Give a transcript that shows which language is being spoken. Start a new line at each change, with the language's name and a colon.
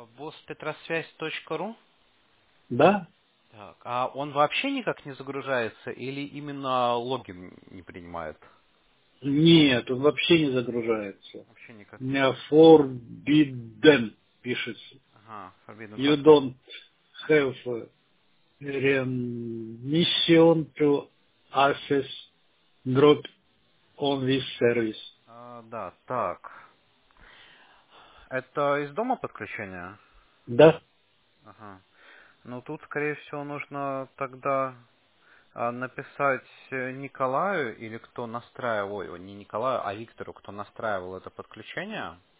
Russian: Босспетросвязь.ру? Да. Так, а он вообще никак не загружается или именно логин не принимает? Нет, он вообще не загружается. Вообще никак. У меня forbidden пишется.
English: You don't have permission to access drop on this service.
Russian: Да, так. Это из дома подключение? Да. Ага. Ну, тут, скорее всего, нужно тогда написать Николаю, или кто настраивал, не Николаю, а Виктору, кто настраивал это подключение.